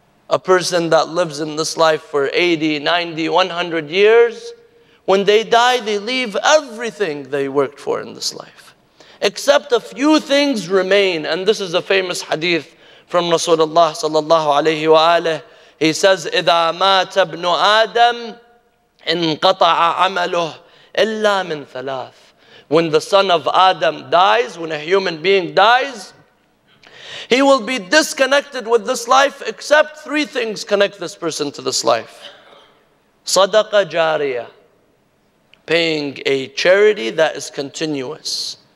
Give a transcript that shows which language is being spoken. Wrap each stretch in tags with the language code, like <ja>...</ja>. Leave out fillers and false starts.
<en>A person that lives in this life for 80, 90, 100 years, when they die, they leave everything they worked for in this life. Except a few things remain. And this is a famous hadith from Rasulullah sallallahu alayhi wa alayhi. He says,</en> <ar>إِذَا مَاتَ ابْنُ آدَمَ انْقَطَعَ عَمَلُهُ إِلَّا مِنْ ثَلَاثٍ.</ar> <en>When the son of Adam dies, when a human being dies, he will be disconnected with this life, except three things connect this person to this life.</en> <ar>صَدَقَ جَارِيَةً,</ar> <en>paying a charity that is continuous.</en>